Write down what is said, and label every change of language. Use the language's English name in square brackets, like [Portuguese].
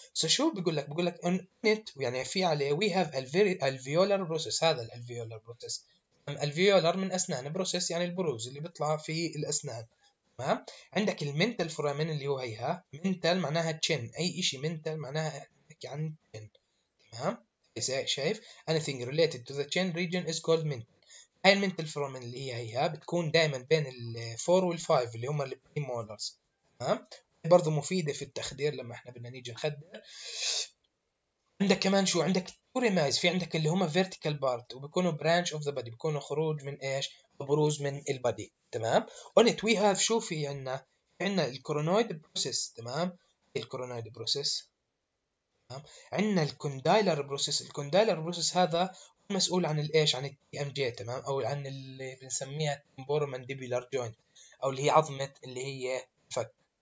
[Arabic] سو شو بيقول لك؟ بيقول لك نت، يعني في عليه وي هاف الفيولار بروسيس، هذا الالفيولار بروسيس، الفيولار من اسنان، بروسيس يعني البروز اللي بيطلع في الاسنان، تمام. عندك المنتال فورامين اللي هو هيها، منتال معناها تشن، اي شيء منتال معناها نحكي عن تشن، تمام. شايف [English] anything related to the chin region is called mental. [Arabic] هاي المنتال فورامين اللي هي هيها بتكون دائما بين ال 4 وال 5 اللي هم البري مولرز، تمام. برضه مفيده في التخدير لما احنا بدنا نيجي نخدر. عندك كمان شو؟ عندك تورمايز، في عندك اللي هما فيرتيكال بارت، وبكونوا [English] branch of the body, [Arabic] بكونوا خروج من ايش؟ بروز من البادي، تمام؟ [English] and we have, [Arabic] شو في عندنا؟ في عندنا الكورونويد بروسيس، تمام؟ الكورونويد بروسيس، تمام؟ عندنا الكوندايلر بروسيس، الكوندايلر بروسيس هذا مسؤول عن الايش؟ عن التي ام جي، تمام؟ او عن اللي بنسميها تمبورومانديبيلار جوينت، او اللي هي عظمه اللي هي فك.